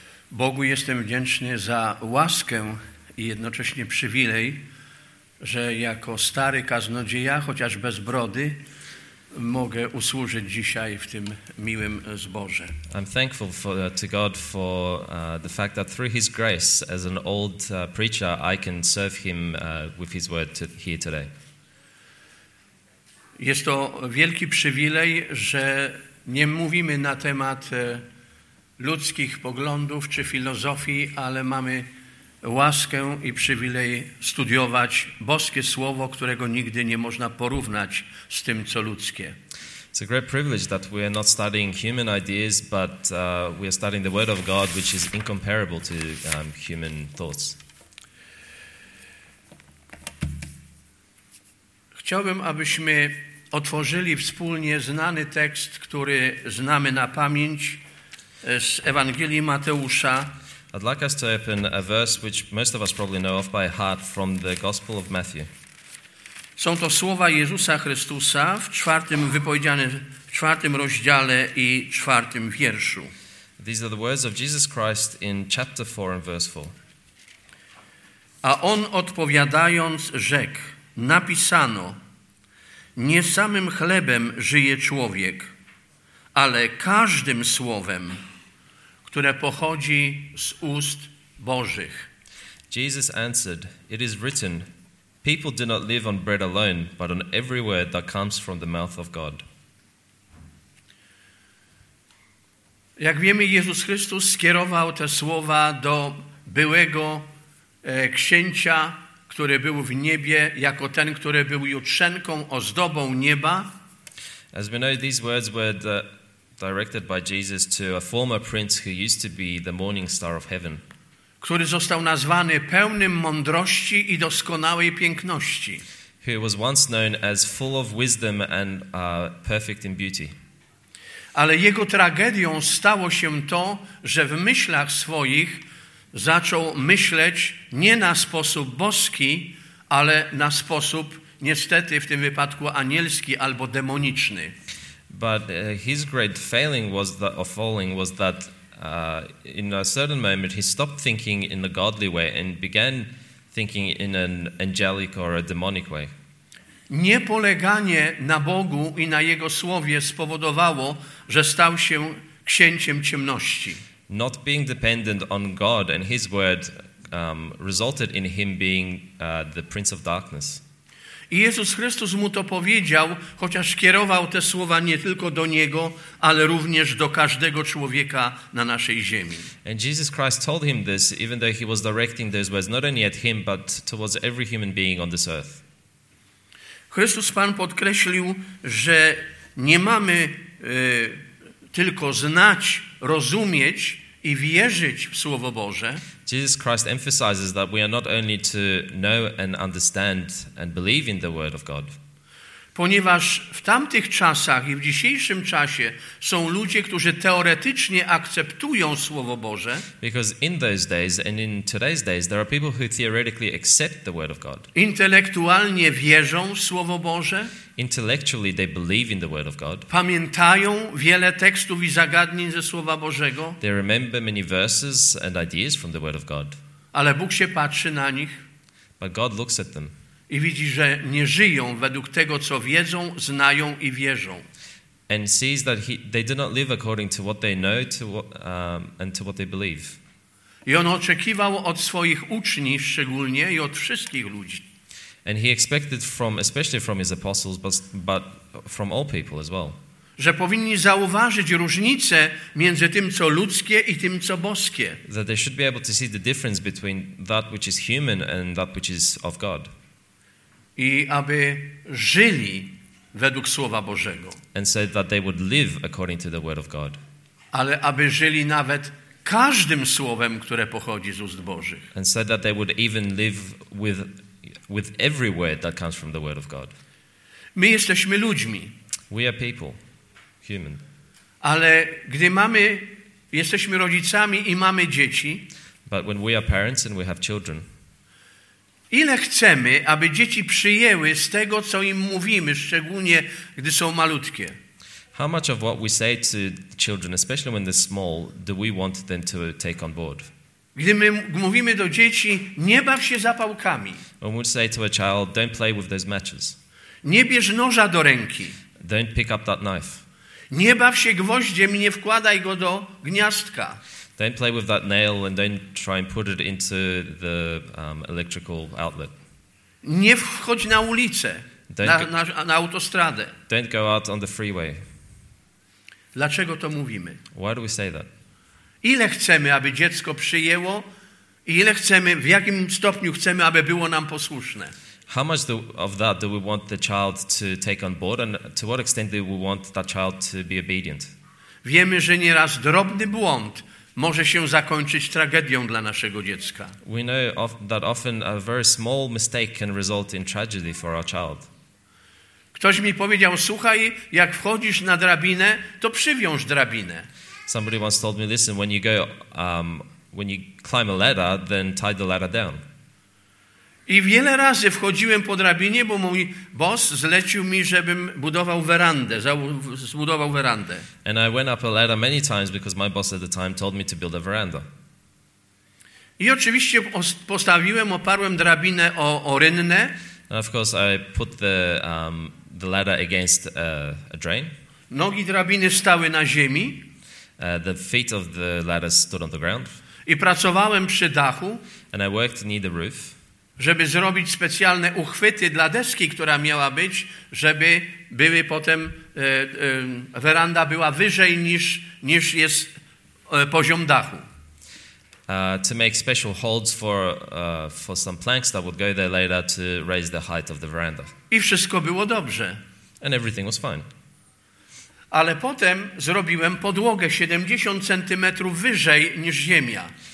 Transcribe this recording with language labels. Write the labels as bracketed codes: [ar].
[pl] Bogu jestem wdzięczny za łaskę i jednocześnie przywilej, że jako stary kaznodzieja, chociaż bez brody, mogę usłużyć dzisiaj w tym miłym zborze. [en] I'm thankful to God for the fact that through His grace, as an old preacher, I can serve Him with His word here today. [pl] Jest to wielki przywilej, że nie mówimy na temat ludzkich poglądów czy filozofii, ale mamy łaskę i przywilej studiować boskie słowo, którego nigdy nie można porównać z tym, co ludzkie. [en] It's a great privilege that we are not studying human ideas, but we are studying the word of God, which is incomparable to human thoughts. [pl] Chciałbym, abyśmy otworzyli wspólnie znany tekst, który znamy na pamięć, z Ewangelii Mateusza. [en] I'd like us to open a verse which most of us probably know off by heart from the Gospel of Matthew. [pl] Są to słowa Jezusa Chrystusa w czwartym wypowiedziane w czwartym rozdziale i czwartym wierszu. [en] These are the words of Jesus Christ in chapter 4 and verse 4. [pl] A on odpowiadając rzekł: napisano, nie samym chlebem żyje człowiek, ale każdym słowem, które pochodzi z ust Bożych. [en] Jesus answered, it is written, people do not live on bread alone, but on every word that comes from the mouth of God. [pl] Jak wiemy, Jezus Chrystus skierował te słowa do byłego księcia, który był w niebie, jako ten, który był jutrzenką, ozdobą nieba. [en] As we know, these words were directed by Jesus to a former prince who used to be the morning star of heaven, [pl] który został nazwany pełnym mądrości i doskonałej piękności, [en] who was once known as full of wisdom and perfect in beauty. [pl] Ale jego tragedią stało się to, że w myślach swoich zaczął myśleć nie na sposób boski, ale na sposób niestety w tym wypadku anielski albo demoniczny. [en] But his great failing was that, or falling was that in a certain moment he stopped thinking in the godly way and began thinking in an angelic or a demonic way. [pl] Nie poleganie na Bogu i na Jego słowie spowodowało, że stał się księciem ciemności. [en] Not being dependent on God and His word resulted in him being the prince of darkness. [pl] I Jezus Chrystus mu to powiedział, chociaż kierował te słowa nie tylko do niego, ale również do każdego człowieka na naszej ziemi. [en] And Jesus Christ told him this, even though he was directing those words not only at him, but towards every human being on this earth. [pl] Chrystus Pan podkreślił, że nie mamy tylko znać, rozumieć i wierzyć w Słowo Boże. [en] Jesus Christ emphasizes that we are not only to know and understand and believe in the word of God. [pl] Ponieważ w tamtych czasach i w dzisiejszym czasie są ludzie, którzy teoretycznie akceptują Słowo Boże. [en] Because in those days and in today's days there are people who theoretically accept the word of God. [pl] Intelektualnie wierzą w Słowo Boże. [en] Intellectually they believe in the word of God. [pl] Pamiętają wiele tekstów i zagadnień ze Słowa Bożego. [en] They remember many verses and ideas from the word of God. [pl] Ale Bóg się patrzy na nich. [en] But God looks at them. [pl] I widzi, że nie żyją według tego, co wiedzą, znają i wierzą. [en] And sees that they do not live according to what they know and to what they believe. [pl] I on oczekiwał od swoich uczniów szczególnie i od wszystkich ludzi. [en] And he expected from, especially from his apostles, but from all people as well. [pl] Że powinni zauważyć różnicę między tym, co ludzkie i tym, co boskie. [en] That they should be able to see the difference between that which is human and that which is of God. [pl] I aby żyli według Słowa Bożego. [en] And said that they would live according to the word of God. [pl] Ale aby żyli nawet każdym słowem, które pochodzi z ust Bożych. [en] And said that they would even live with every word that comes from the word of God. [pl] My jesteśmy ludźmi. [en] We are people, human. [pl] Ale gdy mamy, jesteśmy rodzicami i mamy dzieci. [en] But when we are parents and we have children. [pl] Ile chcemy, aby dzieci przyjęły z tego, co im mówimy, szczególnie gdy są malutkie? [en] How much of what we say to children, especially when they're small, do we want them to take on board? [pl] Gdy my mówimy do dzieci, nie baw się zapałkami. [en] When we say to a child, don't play with those matches. [pl] Nie bierz noża do ręki. [en] Don't pick up that knife. [pl] Nie baw się gwoździem i nie wkładaj go do gniazdka. [en] Don't play with that nail and don't try and put it into the electrical outlet. [pl] Nie wchodź na ulicę, na autostradę. [en] Don't go out on the freeway. [pl] Dlaczego to mówimy? [en] Why do we say that? [pl] Ile chcemy, aby dziecko przyjęło i ile chcemy, w jakim stopniu chcemy, aby było nam posłuszne? [en] How much of that do we want the child to take on board and to what extent do we want that child to be obedient? [pl] Wiemy, że nieraz drobny błąd może się zakończyć tragedią dla naszego dziecka. [en] We know that often a very small mistake can result in tragedy for our child. [pl] Ktoś mi powiedział, słuchaj, jak wchodzisz na drabinę, to przywiąż drabinę. [en] Somebody once told me, listen, when you go, when you climb a ladder, then tie the ladder down. [pl] I wiele razy wchodziłem po drabinie, bo mój boss zlecił mi, żebym budował werandę, zbudował werandę. [en] And I went up a ladder many times because my boss at the time told me to build a veranda. [pl] I oczywiście postawiłem, oparłem drabinę o rynnę. [en] And of course I put the ladder against a drain. [pl] Nogi drabiny stały na ziemi. [en] The feet of the ladder stood on the ground. [pl] I pracowałem przy dachu. [en] And I worked near the roof. [pl] Żeby zrobić specjalne uchwyty dla deski, która miała być, żeby były potem weranda była wyżej niż jest poziom dachu. [en] To make special holds for some planks that would go there later to raise the height of the veranda. [pl] I wszystko było dobrze. [en] And everything was fine. [pl] Ale potem zrobiłem podłogę 70 centymetrów wyżej niż ziemia.